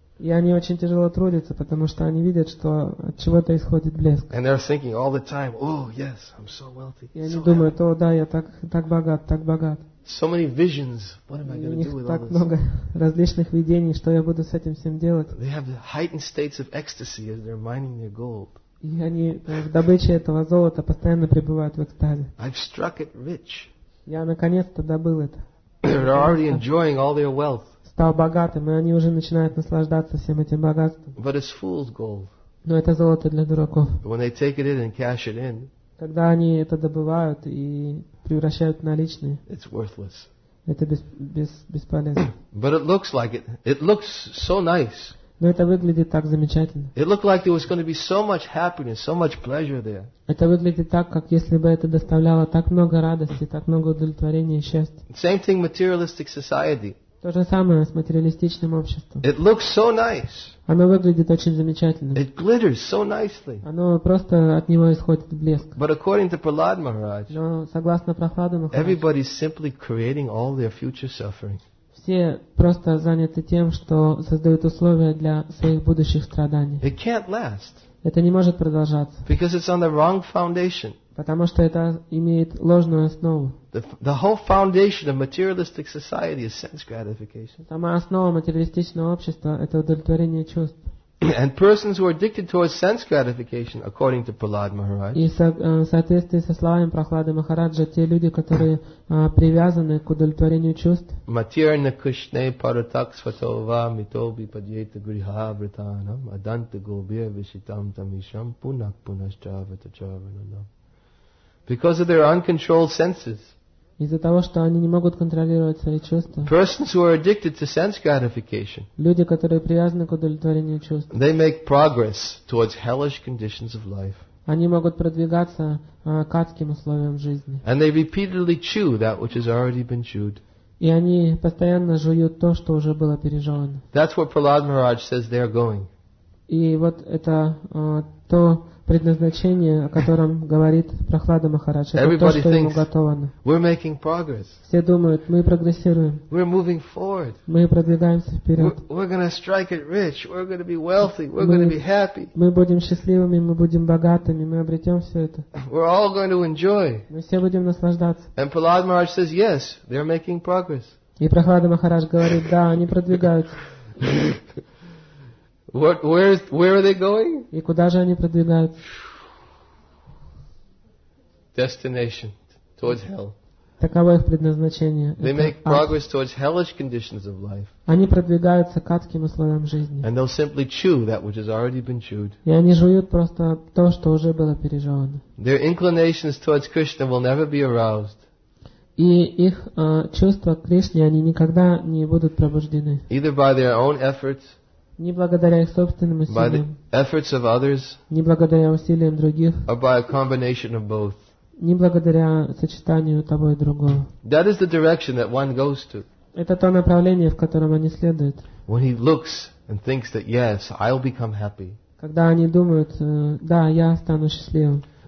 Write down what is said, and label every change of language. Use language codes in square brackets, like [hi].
[ru] И они очень тяжело трудятся, потому что они видят, что от чего-то исходит блеск. [en] And they're thinking all the time, oh yes, I'm so wealthy. [ru] И они думают, о да, я так богат, так богат. [en] So many visions. What am I going to do with all this? [ru] Так много различных видений, что я буду с этим всем делать? [en] They have heightened states of ecstasy as they're mining their gold. [ru] И они в добыче этого золота постоянно пребывают в экстазе. [en] I've struck it rich. [ru] Я наконец-то добыл это. [en] They're already enjoying all their wealth. [ru] Стал богатым, и они уже начинают наслаждаться всем этим богатством. [en] But it's fool's gold. [ru] Но это золото для дураков. [en] When they take it in and cash it in. [ru] Когда они это добывают и превращают в наличные. [en] It's worthless. [ru] Это бесполезно. [en] But it looks like it looks so nice. [ru] Но это выглядит так замечательно. [en] It looked like there was going to be so much happiness, so much pleasure there. [ru] Это выглядит так, как если бы это доставляло так много радости, так много удовлетворения и счастья. [en] Same thing materialistic society. [ru] То же самое с материалистичным обществом. [en] It looks so nice. [ru] Оно выглядит очень замечательно. [en] It glitters so nicely. [ru] Оно просто от него исходит блеск. [en] But according to Prahlad Maharaj, [ru] но согласно Прохладу Махараджу, [en] everybody is simply creating all their future suffering. [ru] Все просто заняты тем, что создают условия для своих будущих страданий. [en] It can't last. [ru] Это не может продолжаться. [en] Because it's on the wrong foundation. [ru] Потому что это имеет ложную основу. [en] The whole foundation of materialistic society is sense gratification. [ru] Сама основа материалистичного общества – это удовлетворение чувств. [en] And persons who are addicted towards sense gratification, according to Prahlad Maharaj. [ru] И в соответствии со словами Прохлады Махараджа, те люди, которые привязаны к удовлетворению чувств. [sa] Матерна кришне паратак сватова митоби падьета гриха вратанам аданта голбия вишитам тамишам пунак пунашчавата чаванам. [en] Because of their uncontrolled senses. [ru] Из-за того, что они не могут контролировать свои чувства. [en] Persons who are addicted to sense gratification. [ru] Люди, которые привязаны к удовлетворению чувств. [en] They make progress towards hellish conditions of life. [ru] Они могут продвигаться к адским условиям жизни. [en] And they repeatedly chew that which has already been chewed. [ru] И они постоянно жуют то, что уже было пережевано. [en] That's where Prahlad Maharaj says they are going. [ru] И вот это то предназначение, о котором говорит Прохлада Махарадж, это то, что ему уготовано. Все думают, мы прогрессируем. Мы продвигаемся вперед. Мы будем счастливыми, мы будем богатыми, мы обретем все это. [en] We're all going to enjoy. [ru] Мы все будем наслаждаться. [en] And Prahlad Maharaj says, yes, they're making progress. [ru] И Прохлада Махарадж говорит, да, они продвигаются. [en] Where are they going? [ru] И куда же они продвигаются? [en] Destination towards hell. [ru] Таково их предназначение. [en] They make progress towards hellish conditions of life. [ru] Они продвигаются к адским условиям жизни. [en] And they'll simply chew that which has already been chewed. [ru] И они жуют просто то, что уже было пережевано. [en] Their inclinations towards Krishna will never be aroused. [ru] И их чувства к Кришне они никогда не будут пробуждены. [en] Either by their own efforts. [ru] Не благодаря их собственным усилиям, [en] others, [ru] не благодаря усилиям других, [en] or by a combination of both. [ru] Не благодаря сочетанию того и другого. [en] That is the direction that one goes to. [ru] Это то направление, в котором они следуют. [en] When he looks and thinks that yes, I'll become happy. [ru] Когда они думают, да, я стану счастливым.